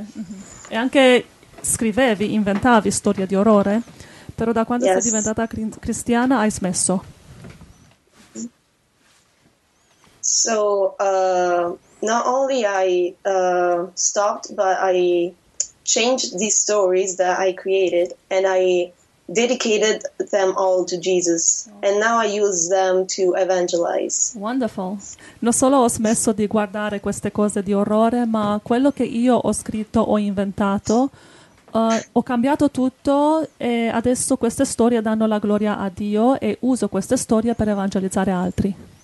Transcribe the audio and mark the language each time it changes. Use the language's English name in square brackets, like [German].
[Italian] Mm-hmm. E anche scrivevi, inventavi storie di orrore, però da quando sei diventata cristiana hai smesso. [English] So not only I stopped, but I changed these stories that I created and I dedicated them all to Jesus. And now I use them to evangelize. Wonderful. [Italian] Non solo ho smesso di guardare queste cose di orrore, ma quello che io ho scritto, ho inventato, ho cambiato tutto e adesso queste storie danno la gloria a Dio e uso queste storie per evangelizzare altri.